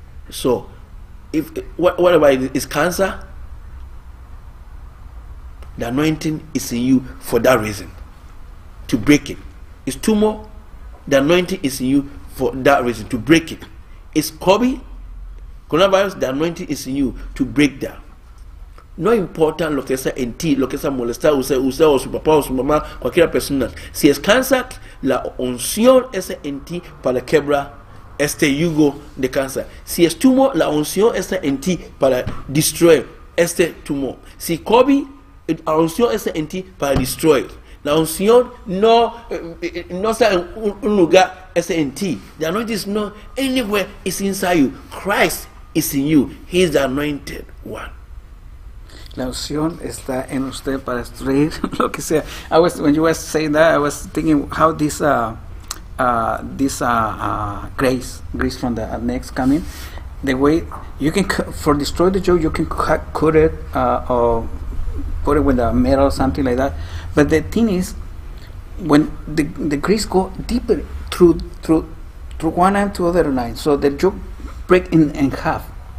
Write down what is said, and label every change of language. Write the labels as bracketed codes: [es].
[en] So, if whatever it is, cancer, the anointing is in you for that reason, to break it. It's tumor, the anointing is in you for that reason, to break it. It's COVID, coronavirus, the anointing is in you to break that. [es] No important lo que sea en ti, lo que sea molestar, usted o su papá o su mamá, cualquier persona. Si es cáncer, la unción es en ti para quebrar este yugo de cáncer. Si es tumor, la unción es en ti para destruir este tumor. Si COVID, la unción es en ti para destruir. La unción no está en un lugar, es en ti. [en] The anointing is not anywhere, it's inside you. Christ is in you. He is the anointed one. [es] La unción está en usted para destruir lo que sea. [en] I was, when you were saying that, I was thinking how this grace from the next coming, the way you can for destroy the joke, you can cut it or put it with a metal or something like that. But the thing is, when the grace go deeper through one end to other end, so the joke break in half.